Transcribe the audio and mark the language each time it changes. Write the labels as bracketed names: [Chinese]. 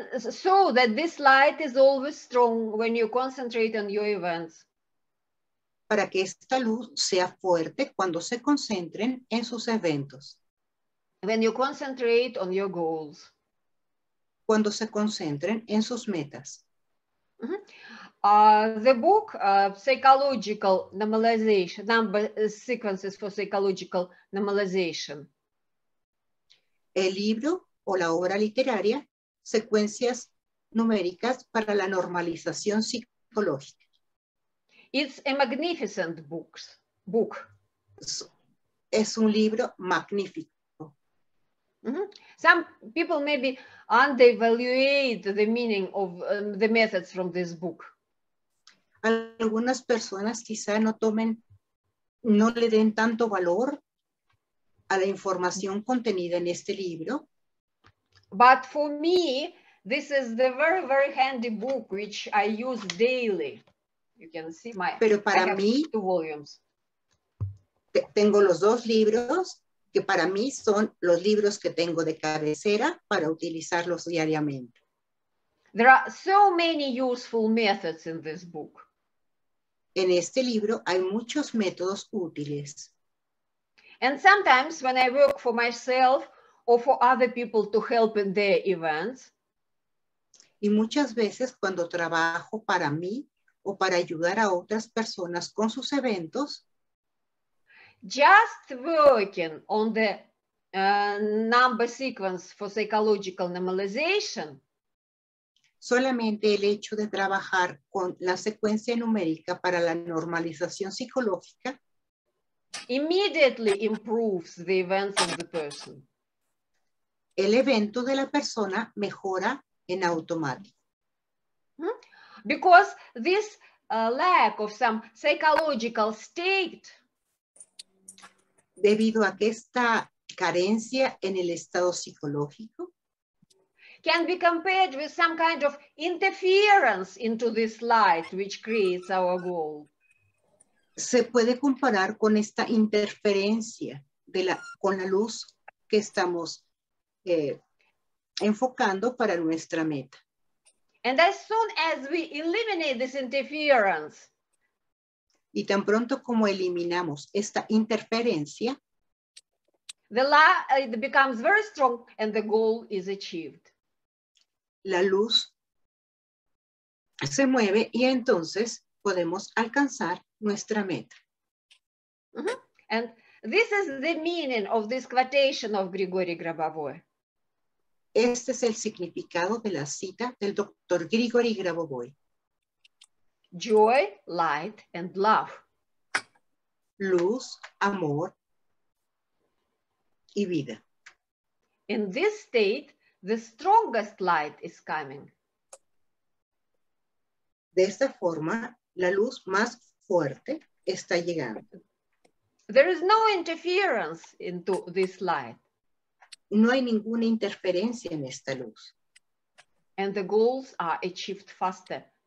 [English] So that this light is always strong when you concentrate on your events. [Spanish] Para que esta luz sea fuerte cuando se concentren en sus eventos. [English] When you concentrate on your goals. [Spanish] Cuando se concentren en sus metas. [English] Mm-hmm. The book Psychological Normalization, number sequences for psychological normalization. [Spanish] El libro o la obra literaria, secuencias numéricas para la normalización psicológica. [English] It's a magnificent book. [Spanish] Es un libro magnífico. Mm-hmm. [English] Some people maybe undervalue the meaning of the methods from this book. [Spanish] Algunas personas quizá no le den tanto valor a la información contenida en este libro. [English] But for me, this is the very, very handy book which I use daily. You can see my [Spanish] Pero para [English] I have [Spanish] mí, [English] two volumes. [Spanish] Tengo los dos libros que para mí son los libros que tengo de cabecera para utilizarlos diariamente. [English] There are so many useful methods in this book. [Spanish] En este libro hay muchos métodos útiles. [English] And sometimes when I work for myself or for other people to help in their events. [Spanish] Y muchas veces cuando trabajo para mí o para ayudar a otras personas con sus eventos. [English] Just working on the number sequence for psychological normalization. [Spanish] Solamente el hecho de trabajar con la secuencia numérica para la normalización psicológica. [English] immediately improves the events of the person. [Spanish] El evento de la persona mejora en automático. [English] Because this lack of some psychological state. [Spanish] Debido a que esta carencia en el estado psicológico. [English] Can be compared with some kind of interference into this light which creates our goal. [Spanish] Se puede comparar con esta interferencia de la, con la luz que estamos enfocando para nuestra meta. [English] And as soon as we eliminate this interference. [Spanish] Y tan pronto como eliminamos esta interferencia. [English] The light becomes very strong and the goal is achieved. [Spanish] La luz se mueve y entonces podemos alcanzar nuestra meta. [English] And this is the meaning of this quotation of Grigori Grabovoi. [Spanish] Este es el significado de la cita del Dr. Grigori Grabovoi. [English] Joy, light, and love. [Spanish] Luz, amor y vida. [English] In this state, the strongest light is coming. [Spanish] De esta forma, la luz más fuerte está llegando. [English] There is no interference into this light. [Spanish] No hay ninguna interferencia en esta luz. [English] And the goals are achieved faster.